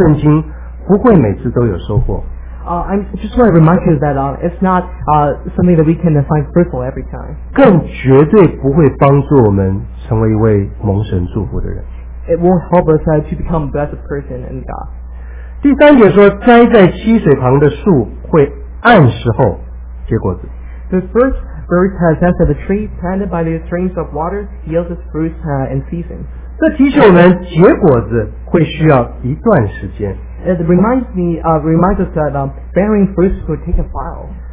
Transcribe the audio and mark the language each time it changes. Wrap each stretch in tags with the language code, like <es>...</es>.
<zh>我只是提醒大家，这样的方式读圣经不会每次都有收获。</zh> <en>I'm just want to remind you that it's not something that we can find fruitful every time.</en> <zh>更绝对不会帮助我们成为一位蒙神祝福的人。</zh> <en>It won't help us to become a better person in God.</en> <zh>第三节说，栽在溪水旁的树会按时候结果子。</zh> <en>The first verse has said that the tree planted by the streams of water yields its fruits in season.</en> <zh>这提醒我们，结果子会需要一段时间。</zh> <en>It reminds us that bearing fruits will take a while.</en>